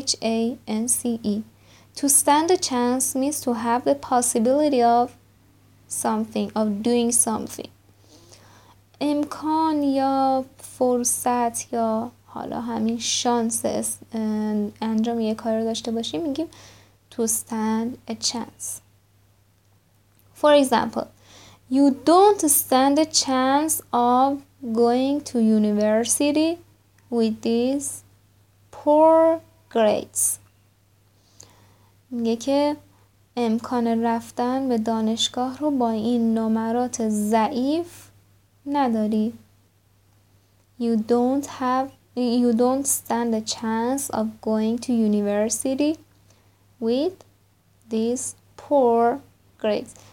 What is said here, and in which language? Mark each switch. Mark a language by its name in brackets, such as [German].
[English] C-H-A-N-C-E. To stand a chance means to have the possibility of something, of doing something. [Persian] امکان یا فرصت یا حالا همین شانس انجام یه کار رو داشته باشیم, میگیم [English] to stand a chance. For example, you don't stand a chance of going to university with these poor grades. [Persian] میگه که امکان رفتن به دانشگاه رو با این نمرات ضعیف نداری. [English] You don't stand a chance of going to university with these poor grades.